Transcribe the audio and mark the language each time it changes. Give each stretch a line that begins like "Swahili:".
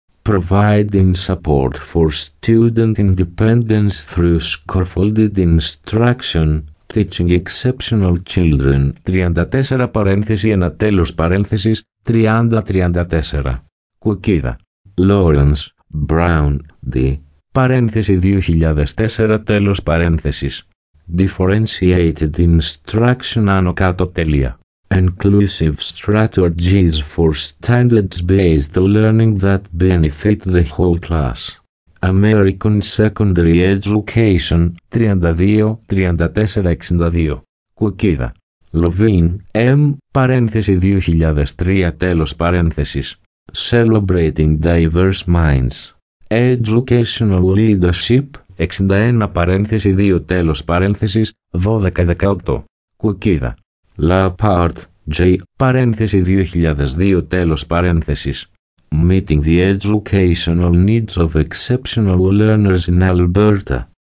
English: Providing support for student independence through scaffolded instruction, teaching exceptional children, 34
Greek: παρένθεση 1 τέλος παρένθεσης,
English: 30-34.
Greek: Κουκίδα. Lawrence, Brown, D, παρένθεση 2004 τέλος παρένθεσης.
English: Differentiated instruction
Greek: άνω κάτω τελεία.
English: Inclusive strategies for standards-based learning that benefit the whole class. American Secondary Education, 32-34-62.
Greek: Κουκίδα. Λοβίν, M, παρένθεση 2003 τέλος παρένθεσης.
English: Celebrating Diverse Minds. Educational Leadership, 61
Greek: παρένθεση 2 τέλος παρένθεσης,
English: 12-18.
Greek: Κουκίδα. Λαπάρτ, J, παρένθεση 2002 τέλος παρένθεσης.
English: Meeting the educational needs of exceptional learners in Alberta.